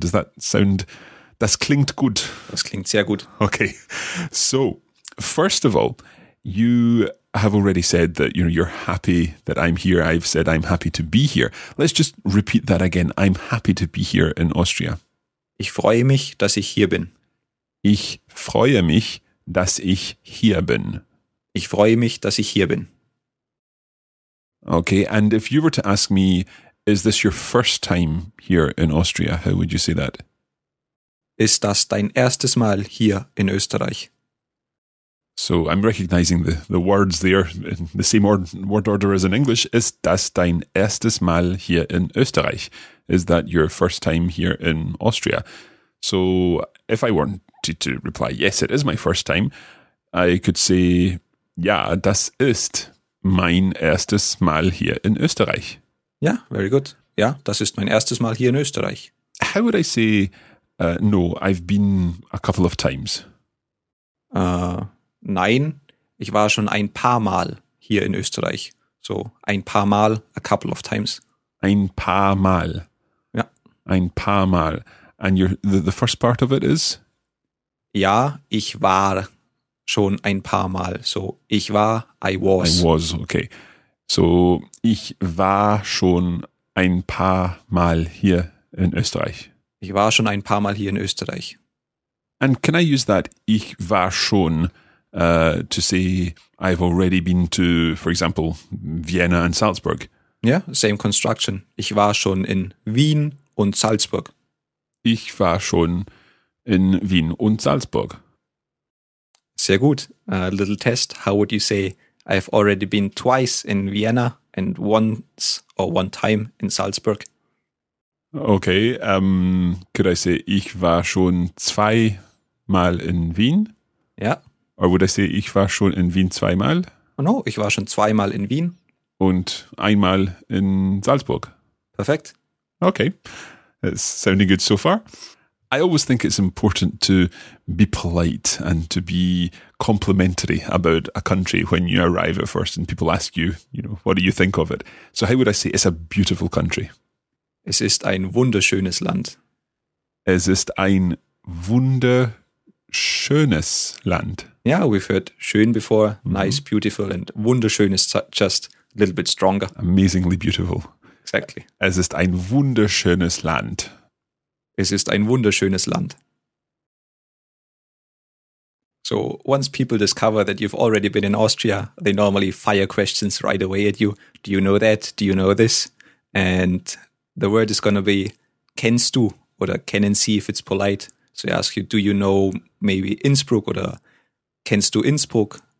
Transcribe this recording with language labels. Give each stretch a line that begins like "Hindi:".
English: Does that sound...
German: Das klingt gut. Das klingt sehr gut.
English: Okay. So, first of all, you... I have already said that, you know, you're happy that I'm here. I've said I'm happy to be here. Let's just repeat that again. I'm happy to be here in Austria.
German: Ich freue mich, dass ich hier bin. Ich freue mich, dass ich hier bin. Ich freue mich, dass ich hier bin.
English: Okay, and if you were to ask me, is this your first time here in Austria? How would you say that?
German: Ist das dein erstes Mal hier in Österreich?
English: So I'm recognizing the words there in the same word order as in English.
German: Ist das dein erstes Mal hier in Österreich?
English: Is that your first time here in Austria? So if I wanted to reply, yes, it is my first time, I could say,
German: ja, das ist mein erstes Mal hier in Österreich.
English: Ja, very good.
German: Ja, das ist mein erstes Mal hier in Österreich.
English: How would I say, no, I've been a couple of times?
German: Nein, ich war schon ein paar Mal hier in Österreich.
English: So,
German: ein paar Mal,
English: a couple of times.
German: Ein paar Mal. Ja. Ein paar Mal.
English: And the first part of it is?
German: Ja, ich war schon ein paar Mal.
English: So,
German: ich war,
English: I was. I was, okay.
German: So, ich war schon ein paar Mal hier in Österreich. Ich war schon ein paar Mal hier in Österreich.
English: And can I use that,
German: ich war schon,
English: to say I've already been to, for example, Vienna and Salzburg? Yeah, same construction.
German: Ich war schon in Wien und Salzburg. Ich war schon in Wien und Salzburg. Sehr gut.
English: A little test. How would you say I've already been twice in Vienna and once or one time in Salzburg? Okay, could I say
German: ich war schon zweimal in Wien? Ja.
English: Or would I say
German: ich war schon in Wien zweimal? Oh no, ich war schon zweimal in Wien. Und einmal in Salzburg. Perfekt.
English: Okay, it's sounding good so far. I always think it's important to be polite and to be complimentary about a country when you arrive at first and people ask you, you know, what do you think of it? So how would I say it's a beautiful country?
German: Es ist ein wunderschönes Land. Es ist ein wunderschönes Land.
English: Yeah, we've heard schön before, nice, beautiful, and wunderschön is just a little bit stronger. Amazingly beautiful. Exactly.
German: Es ist ein wunderschönes Land. Es ist ein wunderschönes Land.
English: So, once people discover that you've already been in Austria, they normally fire questions right away at you. Do you know that? Do you know this? And the word is going to be,
German: kennst du, oder kennen Sie,
English: if it's polite. So I ask you, do you know maybe Innsbruck,
German: oder kennst du Innsbruck?